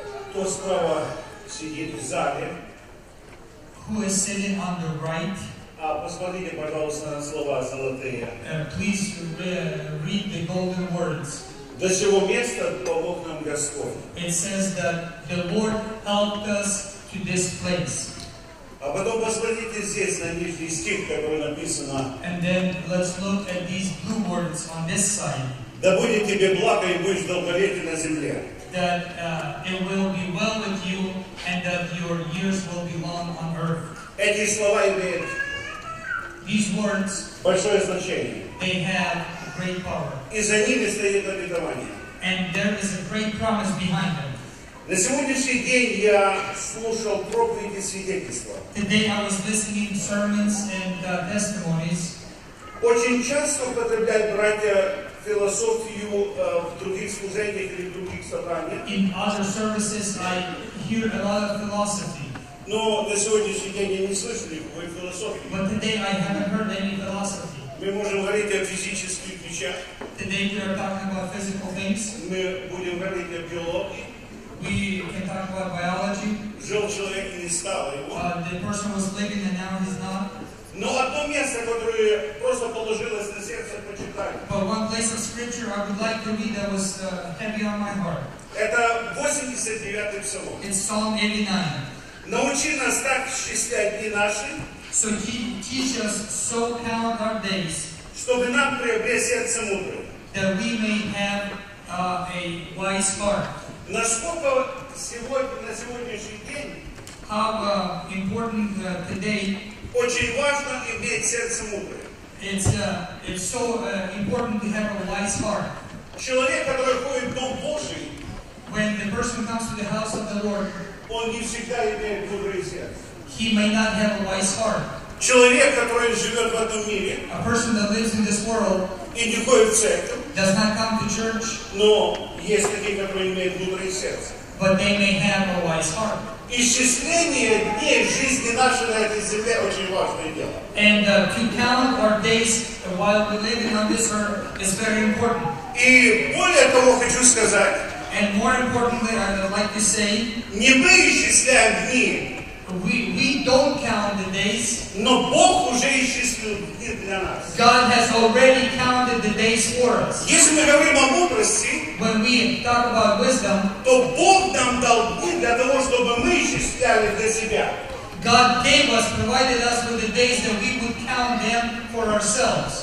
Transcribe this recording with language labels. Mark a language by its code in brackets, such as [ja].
[uk] Хто справа сидить в залі? [en] Who is sitting on the right? [ru] А посмотрите, пожалуйста, на слова золоті. [en] And please read the golden words. [uk] До цього місця помог нам Господь. [en] It says that the Lord helped us to this place. [uk] А потім [ru] посмотрите здесь [uk] на нижній стих, який написано. [en] And then let's look at these blue words on this side. [ru] Да будет тебе благо и будешь долголетен на земле. [en] That it will be well with you and that your years will be long on earth. [ru] Эти слова имеют [en] these words [ru] большое значение. [en] They have great power. [ru] И за ними стоит обетование. [en] And there is a great promise behind them. [ru] На сегодняшний день я слушал проповеди свидетельства. [en] Today I was listening to sermons and testimonies. [ru] Очень часто употребляют братья философию в других служениях или в других собраниях. [en] In other services I hear a lot of philosophy. [ru] Но на сегодняшний день я не слышу никакой философии. [en] But today I haven't heard any philosophy. [ru] Мы можем говорить о физических вещах. [en] Today we are talking about physical things. [ru] Мы будем говорить о биологии. [en] We can talk about biology. [ru] Жил человек и не стал его. [en] The person was living and now he's not. [ru] Но одно место, которое просто положилось на сердце, почитай. [en] But one place of scripture I would like to read that was heavy on my heart. [ru] Это 89-й псалом. [en] It's Psalm 89. [ru] Научи нас так счислять дни наши. [en] So teach us so count our days. [ru] Чтобы нам приобрести сердце мудрое. [en] That we may have a wise heart. [ru] Насколько сегодня, на сегодняшний день. [en] How important today. [ru] Очень важно иметь сердце мудрое. [en] It's so important to have a wise heart. [ru] Человек, который ходит в дом Божий, [en] when the person comes to the house of the Lord, [ru] он не всегда имеет доброе сердце. [en] He may not have a wise heart. [ru] Человек, который живет в этом мире, [en] a person that lives in this world, [ru] и не ходит в церковь, [en] does not come to church, [ru] но есть такие, которые имеют доброе сердце. [en] But they may have a wise heart. [ru] Исчисление дней жизни нашей на этой земле очень важное дело. [en] And to count our days while we're living on this earth is very important. [ru] И более того хочу сказать. [en] And more importantly, I would like to say. [ru] Не мы исчисляем дни. [en] We don't count the days. [ru] Но Бог уже исчислил дни для нас. [en] God has already counted the days for us. [ru] Если мы говорим о мудрости, [en] when we talk about wisdom, [ru] то Бог нам дал дни для того, чтобы мы исчисляли для себя. [en] God gave us, provided us with the days that we would count them for ourselves.